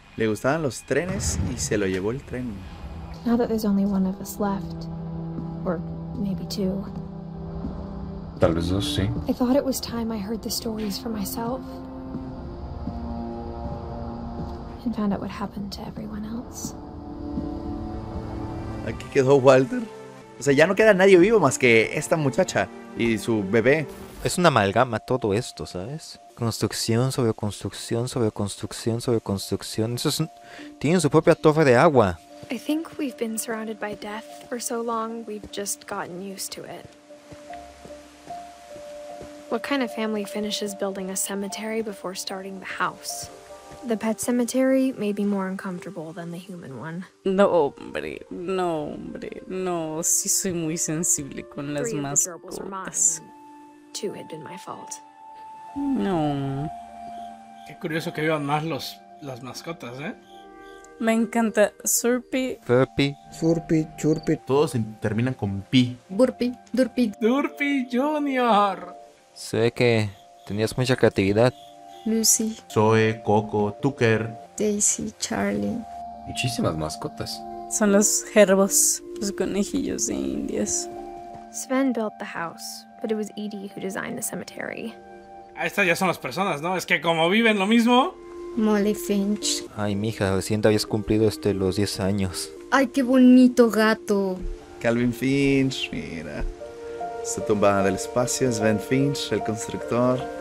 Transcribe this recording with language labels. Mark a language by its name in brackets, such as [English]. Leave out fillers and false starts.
[Spanish] Le gustaban los trenes y se lo llevó el tren. [English] Now that there's only one of us left. Or maybe two. [Spanish] Tal vez dos, sí. [English] I thought it was time I heard the stories for myself. And found out what happened to everyone else. [Spanish] Aquí quedó Walter. O sea, ya no queda nadie vivo más que esta muchacha y su bebé. Es una amalgama todo esto, ¿sabes? Construcción sobre construcción sobre construcción sobre construcción. Eso es un... Tienen su propia torre de agua. [English] I think we've been surrounded by death for so long, we've just gotten used to it. What kind of family finishes building a cemetery before starting the house? The pet cemetery may be more uncomfortable than the human one. [Spanish] No, hombre. No, hombre. No, sí soy muy sensible con las mascotas. [English] Two had been my fault. [Spanish] No. Qué curioso que vivan más las mascotas, ¿eh? Me encanta. Surpi. Furpi. Furpi. Churpi. Todos terminan con pi. Burpi. Durpi. Durpi Junior. Sé que tenías mucha creatividad. Lucy. Zoe, Coco, Tucker. Daisy, Charlie. Muchísimas mascotas. Son los gerbos, los conejillos de indias. [English] Sven built the house, but it was Edie who designed the cemetery. [Spanish] Estas ya son las personas, ¿no? Es que como viven lo mismo. Molly Finch. Ay, mija, recién te habías cumplido los 10 años. Ay, qué bonito gato. Calvin Finch, mira. Su tumba del espacio, Sven Finch, el constructor.